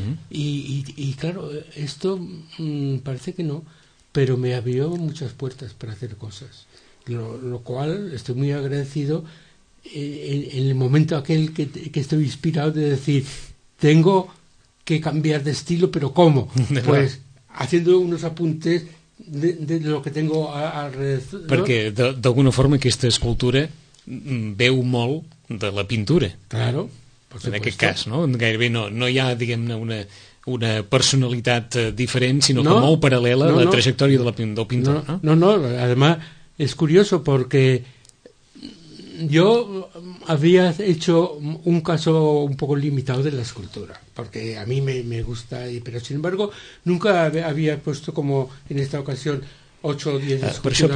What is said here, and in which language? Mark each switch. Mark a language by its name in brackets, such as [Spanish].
[Spanish] Y claro, esto parece que no, pero me abrió muchas puertas para hacer cosas, lo cual estoy muy agradecido. En el momento aquel que estoy inspirado de decir, tengo que cambiar de estilo, pero ¿cómo? Pues haciendo unos apuntes de lo que tengo alrededor. [Catalan] Perquè d'alguna forma aquesta escultura veu molt de la pintura. [Spanish] Claro, por supuesto. [Catalan] En aquest cas, no? Gairebé no hi ha, diguem-ne, una personalitat diferent, sinó que molt paral·lela la trajectòria del pintor. [Spanish] No, además es curioso porque yo había hecho un caso un poco limitado de la escultura, porque a mí me gusta, pero sin embargo nunca había puesto como en esta ocasión 8 o 10 esculturas